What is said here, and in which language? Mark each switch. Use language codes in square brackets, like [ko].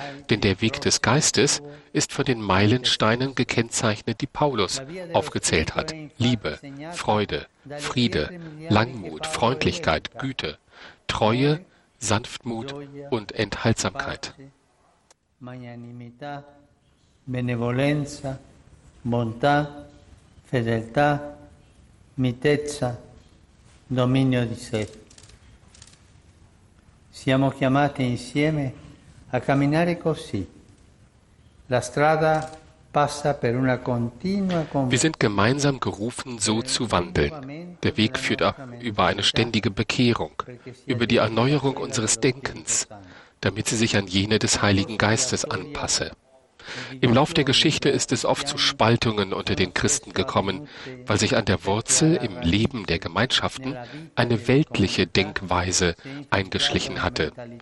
[de] Denn der Weg des Geistes ist von den Meilensteinen gekennzeichnet, die Paulus aufgezählt hat: Liebe, Freude, Friede, Langmut, Freundlichkeit, Güte, Treue, Sanftmut und Enthaltsamkeit. [it] Magnanimità, benevolenza, bontà, fedeltà, mitezza, dominio di sé. Siamo chiamati insieme a camminare così. La strada passa per una continua conversione. [de] Wir sind gemeinsam gerufen, so zu wandeln. Der Weg führt über eine ständige Bekehrung, über die Erneuerung unseres Denkens, damit sie sich an jene des Heiligen Geistes anpasse. Im Lauf der Geschichte ist es oft zu Spaltungen unter den Christen gekommen, weil sich an der Wurzel im Leben der Gemeinschaften eine weltliche Denkweise eingeschlichen hatte.